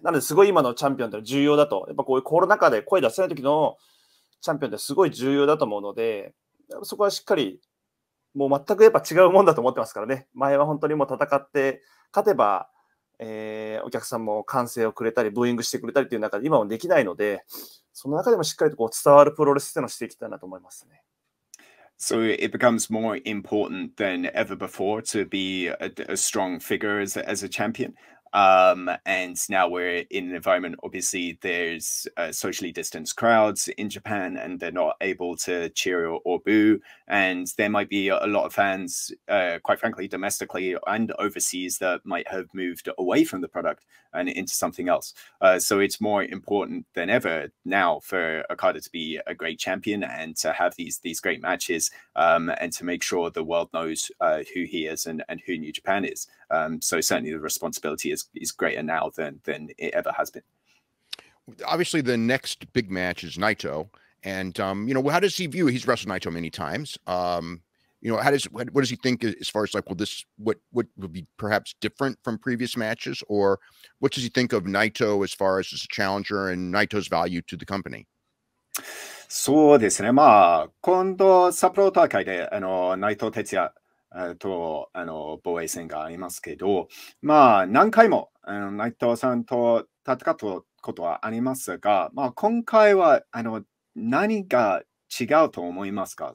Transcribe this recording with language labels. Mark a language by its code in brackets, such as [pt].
[ja] なのですごい今のチャンピオンって重要だと。やっぱこういうコロナ禍で声出せない時のチャンピオンってすごい重要だと思うので、そこはしっかり、もう全くやっぱ違うもんだと思ってますからね。前は本当にもう戦って勝てば、お客さんも歓声をくれたりブーイングしてくれたりという中で今もできないので、その中でもしっかりとこう伝わるプロレスというのをしていきたいなと思いますね。 [en] So it becomes more important than ever before to be a strong figure as a champion、and now we're in an environment obviously there's socially distanced crowds in Japan and they're not able to cheer or boo, and there might be a lot of fans quite frankly domestically and overseas that might have moved away from the product and into something else, so it's more important than ever now for Okada to be a great champion and to have these great matches, and to make sure the world knows who he is and who New Japan is, so certainly the responsibility is greater now than it ever has been. Obviously, the next big match is Naito. And, you know, how does he view it? He's wrestled Naito many times. You know, what does he think as far as like, well, this, what would be perhaps different from previous matches? Or what does he think of Naito as far as a challenger and Naito's value to the company? [ja] そうですね。まあ、今度札幌大会で、あの、内藤哲也と、あの、防衛戦がありますけど、まあ、何回も、あの、内藤さんと戦ったことはありますが、まあ、今回は、あの、何が違うと思いますか？